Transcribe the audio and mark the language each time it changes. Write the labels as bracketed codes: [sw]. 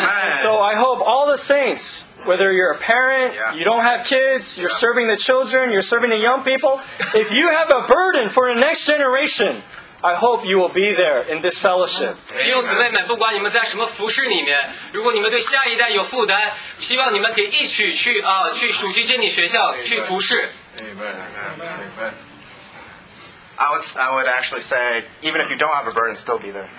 [en] So I hope all the saints, whether you're a parent, you don't have kids, you're serving the children, you're serving the young people, if you have a burden for the next generation, I hope you will be there in this fellowship. [zh] 弟兄姊妹们, 不管你们在什么服事里面, 如果你们对下一代有负担, 希望你们可以一起去, 啊, 去暑期真理学校, 去服事。 [en] I would actually say, even if you don't have a burden, still be there.